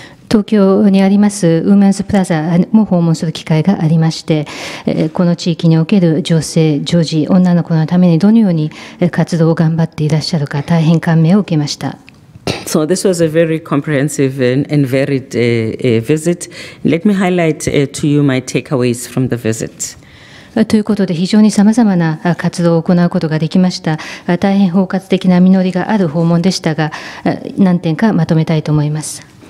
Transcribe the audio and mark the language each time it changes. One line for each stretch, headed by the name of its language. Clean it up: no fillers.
Japanese: 東京にありますウーメンズプラザも訪問する機会がありまして、この地域における女性、女児、女の子のためにどのように活動を頑張っていらっしゃるか大変感銘を受けました。
English: So this was a very comprehensive and varied visit. Let me highlight to you my takeaways from the visit.
Japanese: ということで非常にさまざまな活動を行うことができました。大変包括的な実りがある訪問でしたが、何点かまとめたいと思います。